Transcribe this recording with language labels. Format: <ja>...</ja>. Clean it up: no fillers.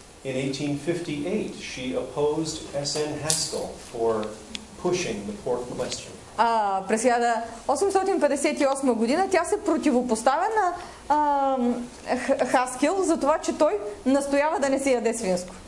<en>In 1858, she opposed S.N. Haskell for pushing the port question.</en> <bg>През 1858 година тя се противопоставя на Хаскел за това, че той настоява да не се яде свинско.</bg>